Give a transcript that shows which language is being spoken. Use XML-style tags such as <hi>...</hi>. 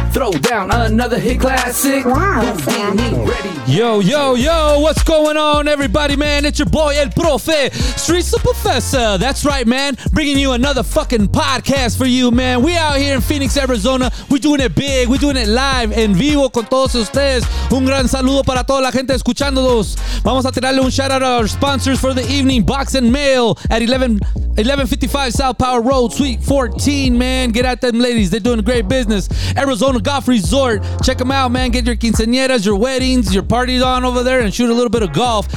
<en>Throw down another hit classic. Houdini, ready. Yo, yo, yo, what's going on, everybody, man? It's your boy, El Profe, Streetz the Professor. That's right, man. Bringing you another fucking podcast for you, man. We out here in Phoenix, Arizona. We doing it big. We doing it live,</en> <es>en vivo, con todos ustedes. Un gran saludo para toda la gente escuchándolos.</es> <en>Vamos a tirarle un shout-out to our sponsors for the evening, Box and Mail, at 1155 South Power Road, Suite 14, man. Get at them, ladies. They're doing great business. Arizona Golf Resort. Check them out, man. Get your quinceañeras, your weddings, your parties on over there, and shoot a little bit of golf.</en>